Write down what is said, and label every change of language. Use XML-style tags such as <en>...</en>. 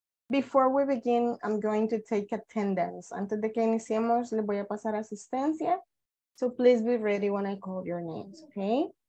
<en>Before we begin, I'm going to take attendance.</en> <es>Antes de que iniciemos, le voy a pasar asistencia.</es> <en>So please be ready when I call your names, okay?</en>